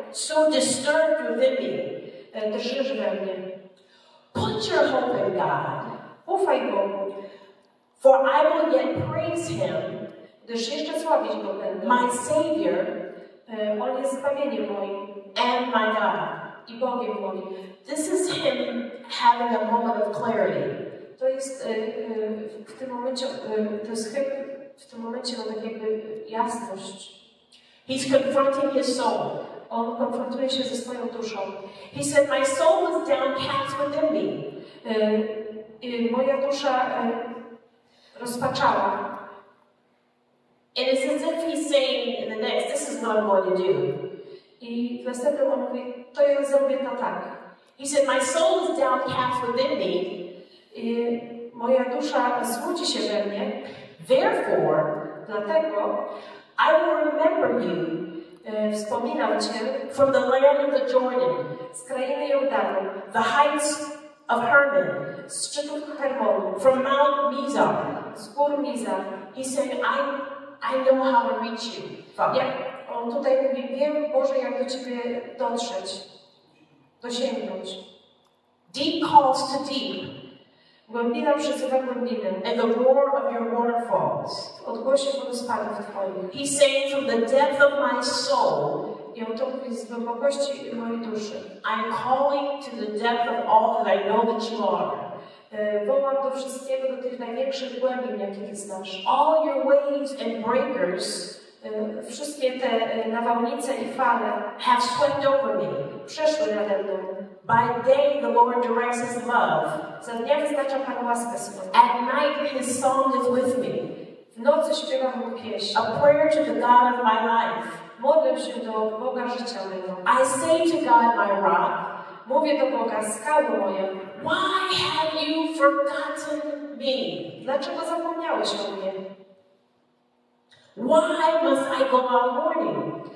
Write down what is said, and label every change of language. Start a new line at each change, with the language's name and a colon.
English: So disturbed within me.
Polish: Drżysz we mnie.
English: Put your hope in God.
Polish: Ufaj Bogu.
English: For I will yet praise him.
Polish: Gdyż jeszcze sławić go będę.
English: My Savior.
Polish: On jest zbawieniem moim.
English: And my God.
Polish: I Bogiem moim.
English: This is him having a moment of clarity.
Polish: To jest w tym momencie, to jest chyb, w tym momencie ma takiego jasność.
English: He's confronting his soul.
Polish: On konfrontuje się ze swoją duszą.
English: He said, my soul was downcast within me.
Polish: Moja dusza rozpaczała.
English: And it's as if he's saying in the next, this is not what I'm going to do.
Polish: I następnie on mówi, to ja zrobię to tak.
English: He said, my soul is downcast within me.
Polish: I moja dusza smuci się we mnie.
English: Therefore,
Polish: dlatego,
English: I will remember you.
Polish: Wspominam cię.
English: From the land of the Jordan.
Polish: Z krainy Jordanu.
English: The heights of Hermon.
Polish: Z szczytów Hermonu.
English: From Mount Mizar.
Polish: Z gór Mizar.
English: He said, I know how to reach you, Father.
Polish: On tutaj mówi, wiem, Boże, jak do Ciebie dotrzeć, dosięgnąć.
English: Deep calls to deep.
Polish: Głębina przyzywa głębinę.
English: And the roar of your waterfalls.
Polish: Odgłosie wodospadów Twoich.
English: He's saying from the depth of my soul.
Polish: I on to mówi, z głębokości mojej duszy.
English: I'm calling to the depth of all that I know that you are.
Polish: Wołam do wszystkiego, do tych największych głębin, jakich znasz.
English: All your waves and breakers.
Polish: Wszystkie te nawałnice i fale
English: have swept over me.
Polish: Przeszły nade mną.
English: By day the Lord directs his love.
Polish: Za dnia wyznacza Pan łaskę swą.
English: At night his song is with me.
Polish: W nocy śpiewa mu pieśń.
English: A prayer to the God of my life.
Polish: Modlę się do Boga życia mego.
English: I say to God my rock.
Polish: Mówię do Boga, skałę moją.
English: Why have you forgotten me?
Polish: Dlaczego zapomniałeś o mnie?
English: Why must I go out mourning?